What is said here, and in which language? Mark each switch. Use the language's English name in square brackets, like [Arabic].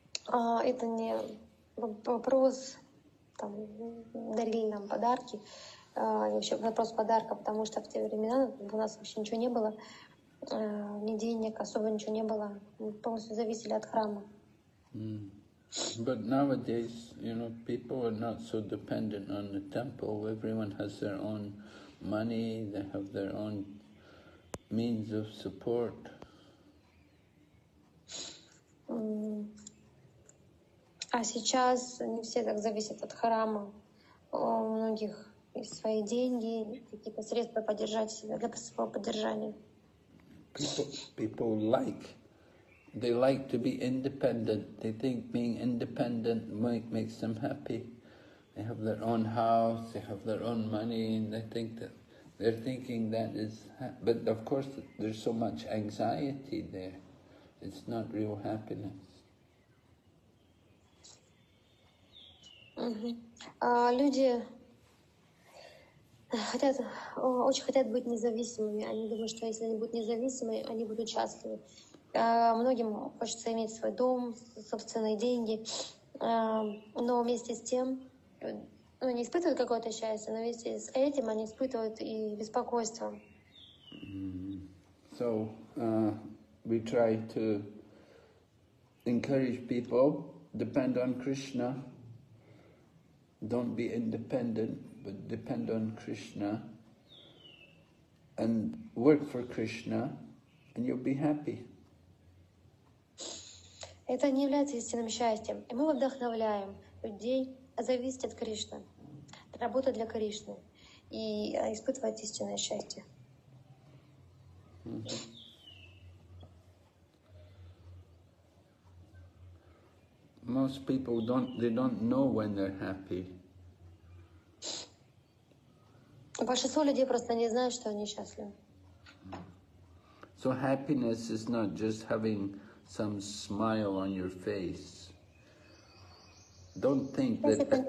[Russian] Это не вопрос, там, дарили нам подарки, вообще вопрос подарка, потому что в те времена у нас вообще ничего не было, ни денег, особо ничего не было, мы полностью зависели от храма. [English] But nowadays, you know, people are not so dependent on the temple, everyone has their own money, they have their own means of support. [Russian] А сейчас не все так зависят от храма. У многих есть свои деньги, какие-то средства поддержать себя для своего поддержания. [English] People like, they like to be independent. They think being independent makes them happy. They have their own house, they have their own money, and they think that they're thinking that is, but of course there's so much anxiety there. It's not real happiness. [Russian] Люди хотят, очень хотят быть независимыми. Они думают, что если они будут независимы, они будут счастливы. Многим хочется иметь свой дом, собственные деньги. Но вместе с тем, ну, они испытывают какое-то счастье, но вместе с этим они испытывают и беспокойство. [English] So, we try to encourage people, depend on Krishna. Don't be independent, but depend on Krishna and work for Krishna, and you'll be happy. [Russian] Это не является истинным счастьем. И мы вдохновляем людей зависеть от Кришны, работать для Кришны и испытывать истинное счастье. [English] Most people don't, they don't know when they're happy. [Russian] Большинство людей просто не знают, что они счастливы. [English] So happiness is not just having some smile on your face. Don't think that.